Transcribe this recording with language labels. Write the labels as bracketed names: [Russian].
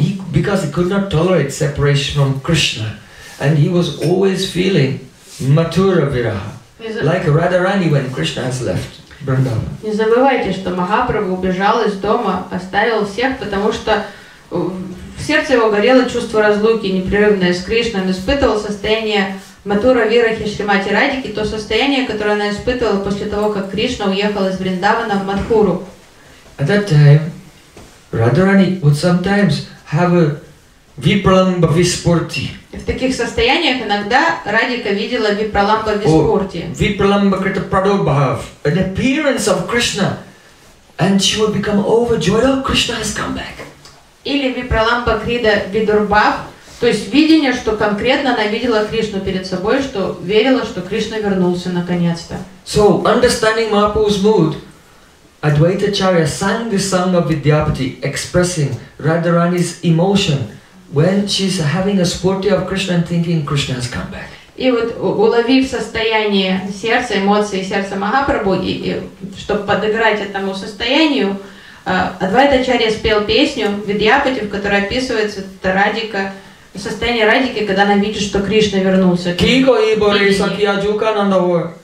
[English] Because he could not tolerate separation from Krishna, and he was always feeling matura viraha, like Radharani when Krishna has left Vrindavan. [Russian] Не забывайте, что Махапрабху убежал из дома, оставил всех, потому что в сердце его горело чувство разлуки непрерывное с Кришной. Он испытывал состояние матура вирахи Шримати Радхики, то состояние, которое она испытывала после того, как Кришна уехал из Вриндавана в Матхуру. [English] At that time, Radharani would sometimes have a vipralamba vispurti. [Russian] В таких состояниях иногда Радика видела випраламба виспурти. [English] Vipralamba krita pradobhav, an appearance of Krishna, and she would become overjoyed. Oh, Krishna has come back. [Russian] Или випраламба крида видурбав, то есть видение, что конкретно она видела Кришну перед собой, что верила, что Кришна вернулся наконец-то. [English] So, understanding Mahaprabhu's mood, Advaita Acharya sang the song of Vidyapati, expressing Radharani's emotion when she's having a spurti of Krishna and thinking Krishna has come back. [Russian] И вот уловив состояние сердца, эмоции сердца Махапрабху, и чтобы подыграть этому состоянию, Адвайта Ачарья спел песню Vidyapati, в которой описывается Радика, состояние Радики, когда она видит, что Кришна вернулся. [Bangla] Кико и Бори Сакья Джукананда Ва.